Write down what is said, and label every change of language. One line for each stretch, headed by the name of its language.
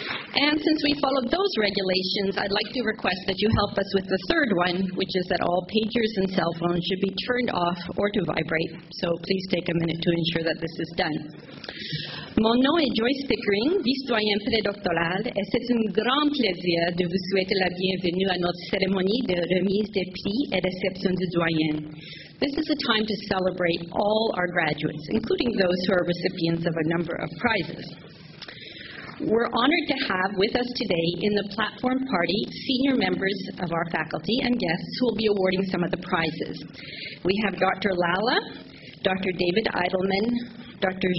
English: And since we followed those regulations, I'd like to request that you help us with the third one, which is that all pagers and cell phones should be turned off or to vibrate. So please take a minute to ensure that this is done.
French: Mon nom est Joyce Pickering, vice-doyen prédoctorale, et c'est un grand plaisir de vous souhaiter la bienvenue à notre cérémonie de remise des prix et réception du doyen.
English: This is a time to celebrate all our graduates, including those who are recipients of a number of prizes. We're honored to have with us today in the platform party senior members of our faculty and guests who will be awarding some of the prizes. We have Dr. Lala, Dr. David Eidelman, Dr.